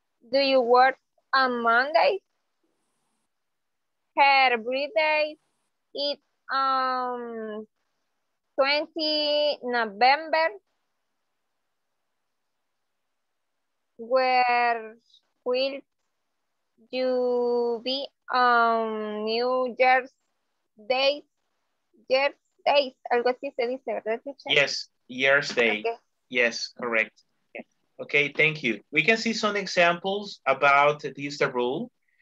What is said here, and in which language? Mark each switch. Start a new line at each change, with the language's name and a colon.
English: Do you work on Monday? her birthday is on 20 November. Where will you be on New Year's Day? Year's Day,
Spanish: algo así se dice, ¿verdad, teacher?
English: Yes, Year's Day. Okay. Yes, correct. Okay, thank you. We can see some examples about this rule.